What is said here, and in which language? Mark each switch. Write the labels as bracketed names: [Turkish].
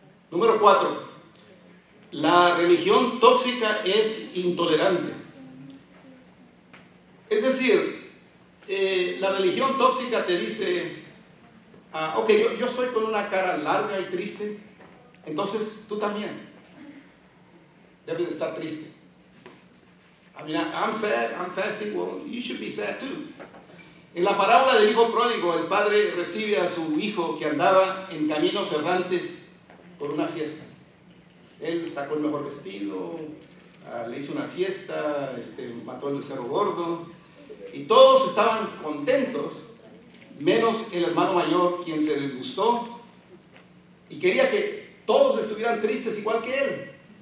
[Spanish] Número 4. La religión tóxica es intolerante. Es decir, la religión tóxica te dice, ok, yo estoy con una cara larga y triste, entonces tú también debes de estar triste. [English] I mean, I'm sad, I'm fasting, well, you should be sad too. [Spanish] En la parábola del hijo pródigo, el padre recibe a su hijo que andaba en caminos errantes por una fiesta. Él sacó el mejor vestido, le hizo una fiesta, mató el cerdo gordo, y todos estaban contentos, menos el hermano mayor, quien se disgustó y quería que todos estuvieran tristes igual que él.